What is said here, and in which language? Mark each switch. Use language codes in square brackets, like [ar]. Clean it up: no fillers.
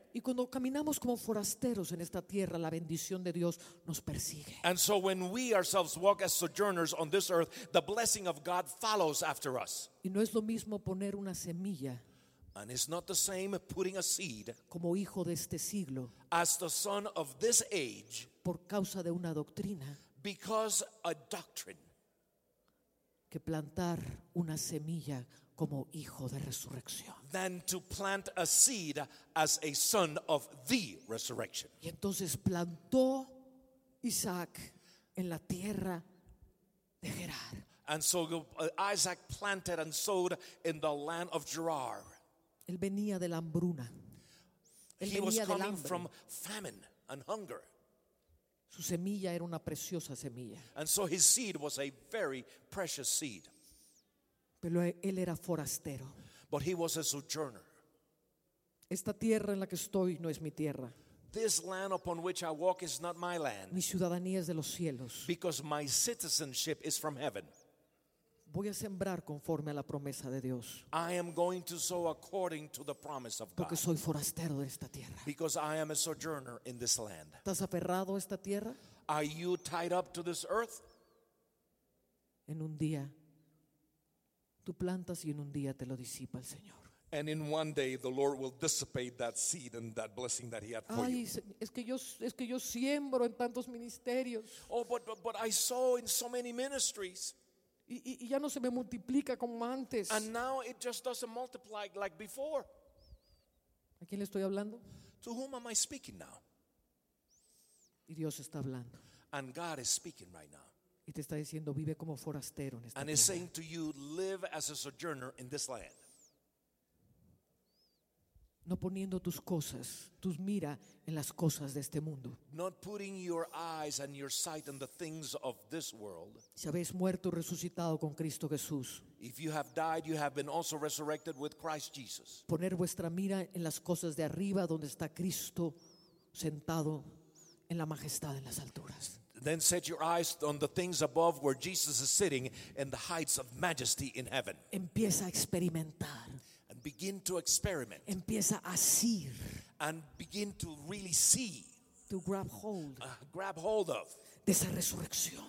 [es] Y cuando caminamos como forasteros en esta tierra, la bendición de Dios nos persigue. [en] And so when we ourselves walk as sojourners on this earth, the blessing of God follows after us. [es] Y no es lo mismo poner una semilla. [en] And it's not the same putting a seed. [es] Como hijo de este siglo. [en] As the son of this age. [es] Por causa de una doctrina. [en] because a doctrine. [es] Que plantar una semilla como hijo de resurrección. [en] Than to plant a seed as a son of the resurrection. [es] Y entonces plantó Isaac en la tierra de Gerar. [en] And so Isaac planted and sowed in the land of Gerar. [es] Él venía de la hambruna. [en] He was coming from famine and hunger. [es] Su semilla era una preciosa semilla. [en] And so his seed was a very precious seed. [es] Pero él era forastero. [en] But he was a sojourner. [es] Esta tierra en la que estoy no es mi tierra. [en] This land upon which I walk is not my land. [es] Mi ciudadanía es de los cielos. [en] Because my citizenship is from heaven. [es] Voy a sembrar conforme a la promesa de Dios. [en] I am going to sow according to the promise of God. [es] Porque soy forastero de esta tierra. [en] Because I am a sojourner in this land. [es] ¿Estás aferrado a esta tierra? [en] Are you tied up to this earth? [es] En un día tú plantas y en un día te lo disipa el Señor. [en] And in one day the Lord will dissipate that seed and that blessing that he had for Ay, you. [es] Es que yo siembro en tantos ministerios. [en] Oh, but I sow in so many ministries. [es] Y ya no se me multiplica como antes. [en] And now it just doesn't multiply like before. [es] ¿A quién le estoy hablando? [en] To whom am I speaking now? [es] Y Dios está hablando. [en] And God is speaking right now. [es] Y te está diciendo, vive como forastero en esta [en] And [es] tierra. [en] Is saying to you, live as a sojourner in this land. [es] No poniendo tus cosas, tus mira en las cosas de este mundo. [en] Not putting your eyes and your sight on the things of this world. [es] Si habéis muerto, resucitado con Cristo Jesús. [en] If you have died, you have been also resurrected with Christ Jesus. [es] Poner vuestra mira en las cosas de arriba, donde está Cristo sentado en la majestad en las alturas. [en] Then set your eyes on the things above where Jesus is sitting in the heights of majesty in heaven. [es] Empieza a experimentar. [en] And begin to experiment. [es] Empieza a asir. [en] And begin to really see. To grab hold. Grab hold of. [es] De esa resurrección.